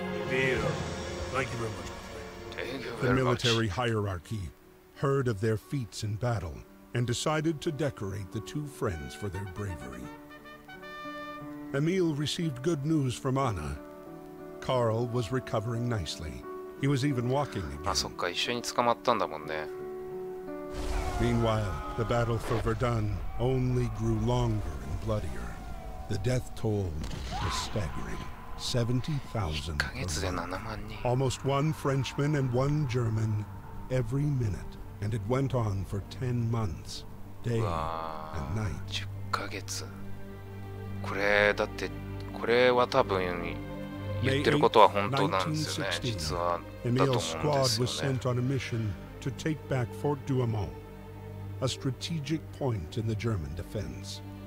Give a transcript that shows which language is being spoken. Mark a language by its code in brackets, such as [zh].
[en] Neil, thank you very much. The military hierarchy heard of their feats in battle and decided to decorate the two friends for their bravery. Emil received good news from Anna. Carl was recovering nicely. He was even walking again. [ja] あ、そっか、一緒に捕まったんだもんね。 [en] Meanwhile, the battle for Verdun only grew longer and bloodier. The death toll was staggering. 70,000. [ja] 1ヶ月で7万人。 [en] Almost one Frenchman and one German every minute. And it went on for 10 months, day and night. [ja] 10ヶ月。これだって、これは多分言ってることは本当なんですよね。実はだと思うんですよね。 [en] Mission to take back Fort Douaumont, a strategic point in the German defense.